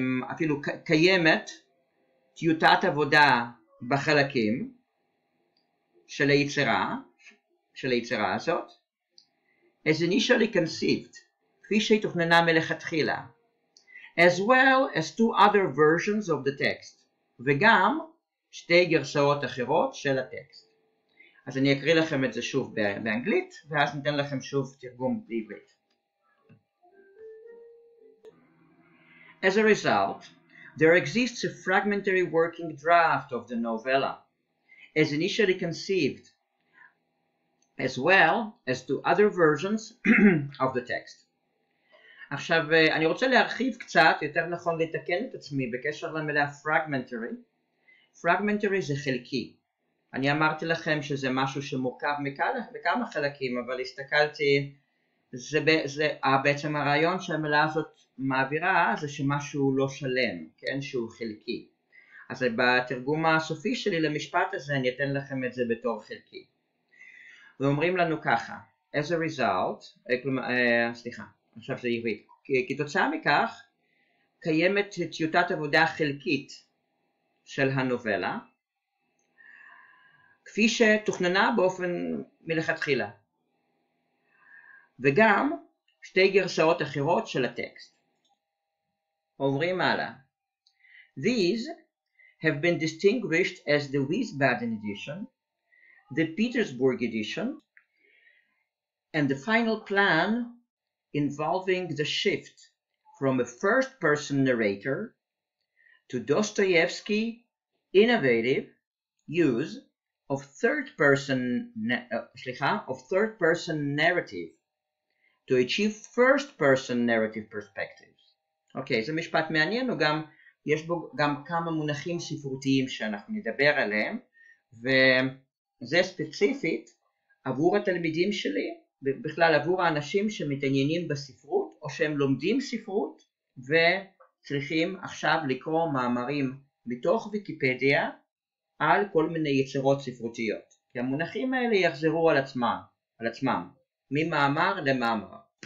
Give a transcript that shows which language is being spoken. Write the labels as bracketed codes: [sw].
[he] אפילו קיימת, טיוטת עבודה בחלקים של היצירה, של היצירה הזאת, [en] as initially conceived, [he] כפי שהיא תוכננה מלכתחילה, [en] as well as two other versions of the text, [he] וגם שתי גרסאות אחרות של הטקסט. אז אני אקריא לכם את זה שוב באנגלית, ואז ניתן לכם שוב תרגום בעברית. [en] As a result, there exists a fragmentary working draft of the novella, as initially conceived, as well as two other versions of the text. [he] עכשיו, אני רוצה להרחיב קצת, יותר נכון לתקן את עצמי, בקשר למילה fragmentary. Fragmentary זה חלקי. אני אמרתי לכם שזה משהו שמורכב מכמה חלקים, אבל הסתכלתי, זה בעצם הרעיון שהמילה הזאת מעבירה, זה שמשהו לא שלם, כן? שהוא חלקי. אז בתרגום הסופי שלי למשפט הזה, אני אתן לכם את זה בתור חלקי. ואומרים לנו ככה, [en] as a result, [he] סליחה. עכשיו זה עברית. כתוצאה מכך, קיימת טיוטת עבודה חלקית של הנובלה, כפי שתוכננה באופן מלכתחילה. וגם שתי גרסאות אחרות של הטקסט. אומרים הלאה. [en] These have been distinguished as the Wiesbaden edition, the Petersburg edition, and the final plan involving the shift from a first person narrator to Dostoevsky innovative use of third person narrative to achieve first person narrative perspectives. [he] אוקיי, זה משפט מעניין, וגם יש בו גם כמה מונחים ספרותיים שאנחנו נדבר עליהם, וזה ספציפית עבור התלמידים שלי, בכלל עבור האנשים שמתעניינים בספרות או שהם לומדים ספרות וצריכים עכשיו לקרוא מאמרים מתוך ויקיפדיה על כל מיני יצירות ספרותיות, כי המונחים האלה יחזרו על עצמם, ממאמר למאמר.